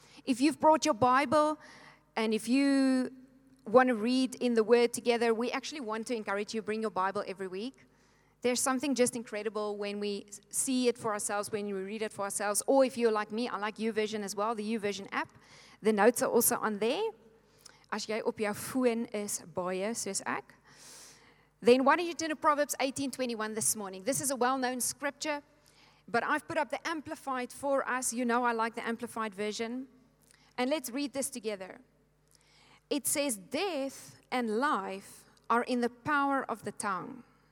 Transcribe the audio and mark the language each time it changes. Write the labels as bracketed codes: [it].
[en] If you've brought your Bible and if you want to read in the word together, we actually want to encourage you to bring your Bible every week. There's something just incredible when we see it for ourselves, when we read it for ourselves. Or if you're like me, I like YouVersion as well, the YouVersion app. The notes are also on there. [af] As jy op jou foon is baie soos ek. [en] Then why don't you turn to Proverbs 18:21 this morning? This is a well-known scripture, but I've put up the Amplified for us. You know I like the Amplified version. And let's read this together. It says, death and life are in the power of the tongue.